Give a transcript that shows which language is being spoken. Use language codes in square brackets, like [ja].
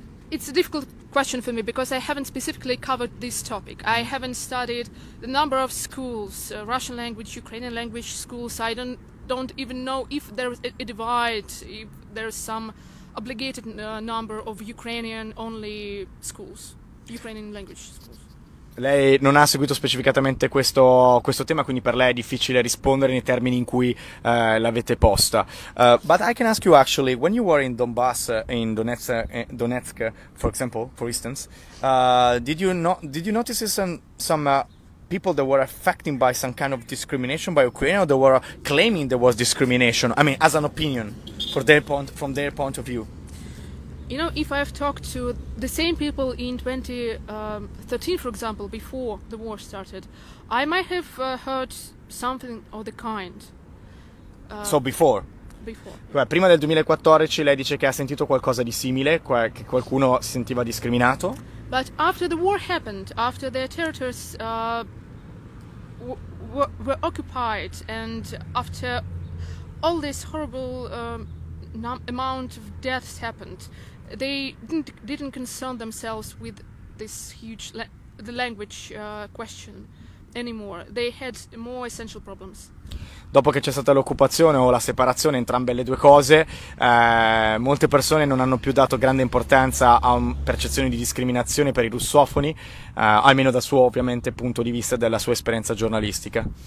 [en] It's a difficult question for me because I haven't specifically covered this topic. I haven't studied the number of schools, Russian language, Ukrainian language schools. I don't even know if there is a divide, if there is some obligated number of Ukrainian only schools, Ukrainian language schools. [it] Lei non ha seguito specificatamente questo tema, quindi per lei è difficile rispondere nei termini in cui l'avete posta. [en] But I can ask you actually, when you were in Donbass, in Donetsk, for example, for instance, did you notice some people that were affected by some kind of discrimination by Ukraine, or they were claiming there was discrimination? I mean, as an opinion, from their point of view. You know, if I've talked to the same people in 2013, for example, before the war started, I might have heard something of the kind. So before? Before. [it] Beh, prima del 2014 lei dice che ha sentito qualcosa di simile, che qualcuno si sentiva discriminato. [en] But after the war happened, after their territories were occupied, and after all this horrible amount of deaths happened, they didn't concern themselves with this huge the language question anymore. They had more essential problems. [it] Dopo che c'è stata l'occupazione o la separazione, entrambe le due cose, molte persone non hanno più dato grande importanza a percezioni di discriminazione per i russofoni, almeno dal suo ovviamente punto di vista della sua esperienza giornalistica.